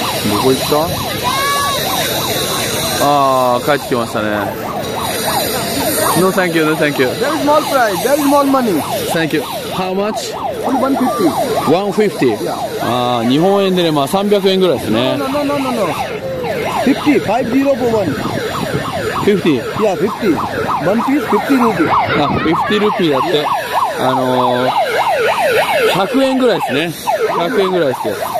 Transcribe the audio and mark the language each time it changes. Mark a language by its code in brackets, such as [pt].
[ja] どこ行った？ああ、帰ってきましたね。 [en] No thank you, no thank you. There is more price, there is more money. Thank you. How much? 150. 150? Yeah. [ja] ああ、日本円でね、まあ300円ぐらいですね。 [en] No. 50, 50 for one. 50? Yeah, 50. One piece, 50 rupees. [ja] あ、50 rupees だって。 Yeah. 100円ぐらいですね。100円ぐらいですよ。